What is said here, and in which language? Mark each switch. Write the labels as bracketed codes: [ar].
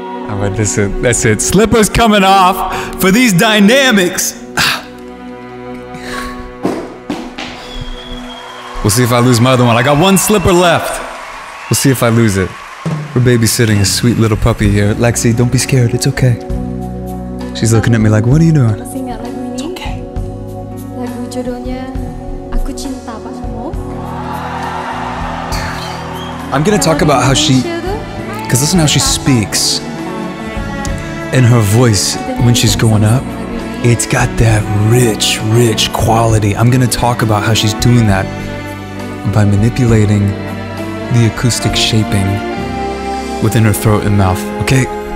[en] All right, listen, that's it. Slippers coming off for these dynamics. We'll see if I lose my other one. I got one slipper left. We'll see if I lose it. We're babysitting a sweet little puppy here. Lexi, don't be scared. It's okay. She's looking at me like, what are you doing? [id] Masih ingat lagu ini? [en] It's okay. [id] Lagu jodohnya, Aku Cinta Apa Semua. [en] Dude, I'm going to talk about how she... Because listen how she speaks. And her voice, when she's going up, it's got that rich, rich quality. I'm going to talk about how she's doing that. By manipulating the acoustic shaping within her throat and mouth, okay?